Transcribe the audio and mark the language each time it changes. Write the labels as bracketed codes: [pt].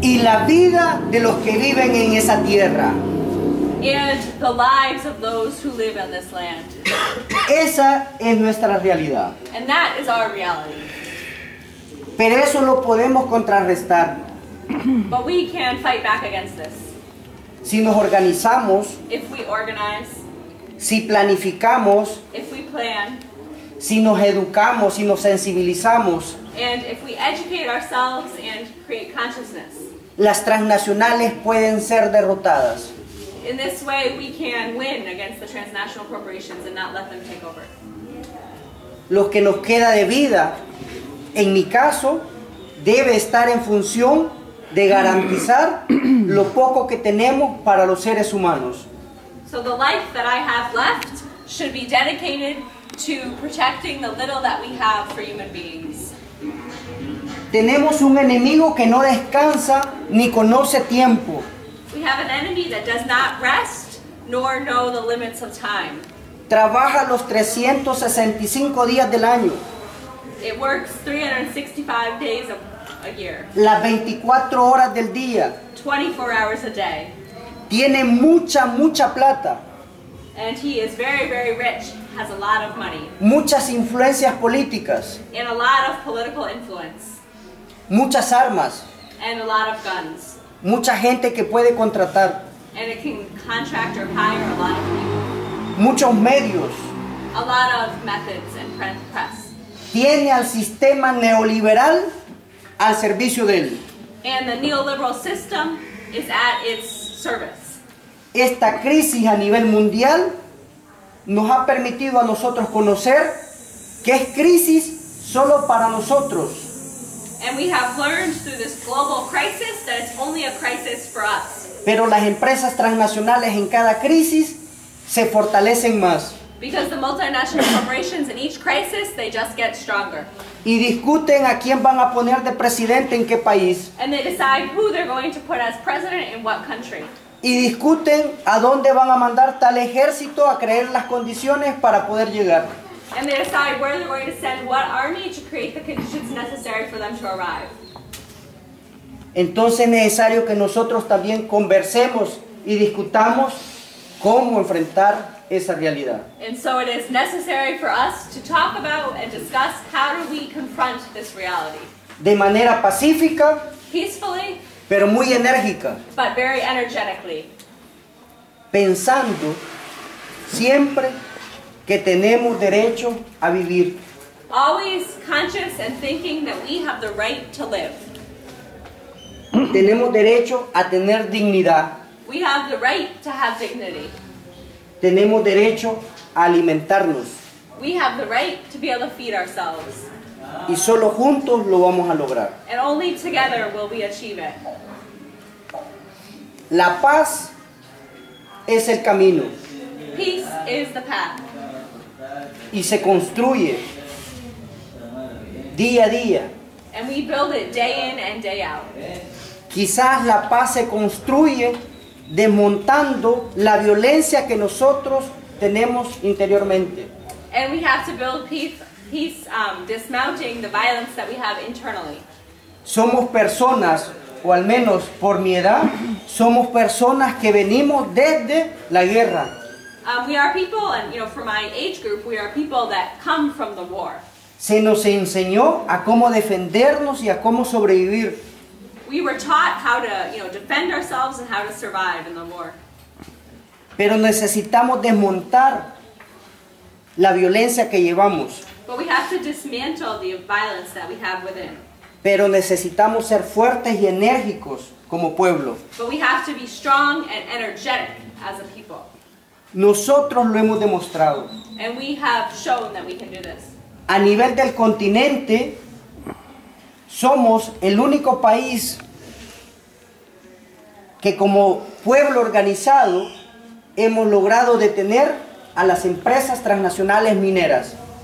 [es] y la vida de los que viven en esa tierra. [en] And the lives of those who live on this land. [es] Esa es nuestra realidad. [en] And that is our reality. [es] Pero eso lo podemos contrarrestar. [en] But we can fight back against this. [es] Si nos organizamos, [en] if we organize, [es] si planificamos, [en] if we plan, [es] si nos educamos, si nos sensibilizamos, [en] and if we educate ourselves and create consciousness, [es] las transnacionales pueden ser derrotadas. [en] In this way, we can win against the transnational corporations and not let them take over. [es] Lo que nos queda de vida, en mi caso, debe estar en función de garantizar lo poco que tenemos para los seres humanos. [en] So the life that I have left should be dedicated to protecting the little that we have for human beings. [es] Tenemos un enemigo que no descansa ni conoce tiempo. [en] We have an enemy that does not rest nor know the limits of time. [es] Trabaja los 365 días del año. [en] It works 365 days a year. [es] Las 24 horas del día. [en] 24 hours a day. [es] Tiene mucha, mucha plata. [en] And he is very, very rich. Has a lot of money. [es] Muchas influencias políticas. [en] And a lot of political influence. [es] Muchas armas. [en] And a lot of guns. [es] Mucha gente que puede contratar. [en] And it can contract or hire a lot of people. [es] Muchos medios. [en] A lot of methods and press. [es] Tiene al sistema neoliberal al servicio de él. [en] And the neoliberal system is at its service. [es] Esta crisis a nivel mundial nos ha permitido a nosotros conocer que es crisis solo para nosotros. [en] And we have learned through this global crisis that it's only a crisis for us. [es] Pero las empresas transnacionales en cada crisis se fortalecen más. [en] Because the multinational corporations in each crisis, they just get stronger. [es] Y discuten a quién van a poner de presidente en qué país. [en] And they decide who they're going to put as president in what country. [es] Y discuten a dónde van a mandar tal ejército a crear las condiciones para poder llegar. [en] And they decide where they're going to send what army to create the conditions necessary for them to arrive. [es] Entonces es necesario que nosotros también conversemos y discutamos cómo enfrentar esa realidad. [en] And so it is necessary for us to talk about and discuss how do we confront this reality. [es] De manera pacífica. [en] Peacefully. [es] Pero muy enérgica. [en] But very energetically. [es] Pensando siempre que tenemos derecho a vivir. [en] Always conscious and thinking that we have the right to live. [es] Tenemos derecho a tener dignidad. [en] We have the right to have dignity. [es] Tenemos derecho a alimentarnos. [en] We have the right to be able to feed ourselves. [es] Y solo juntos lo vamos a lograr. [en] And only together will we achieve it. [es] La paz es el camino. [en] Peace is the path. [es] Y se construye día a día. [en] And we build it day in and day out. [es] Quizás la paz se construye desmontando la violencia que nosotros tenemos interiormente. [en] And we have to build peace, dismounting the violence that we have internally. [es] Somos personas, o al menos por mi edad, somos personas que venimos desde la guerra. [en] We are people, and you know, for my age group, we are people that come from the war. [es] Se nos enseñó a cómo defendernos y a cómo sobrevivir. [en] We were taught how to, you know, defend ourselves and how to survive in the war. [es] Pero necesitamos desmontar la violencia que llevamos. [en] But we have to dismantle the violence that we have within. [es] Pero necesitamos ser fuertes y enérgicos como pueblo. [en] But we have to be strong and energetic as a people. [es] Nosotros lo hemos demostrado. [en] And we have shown that we can do this. [es] A nivel del continente, somos el único país que como pueblo organizado hemos logrado detener a las empresas transnacionales mineras.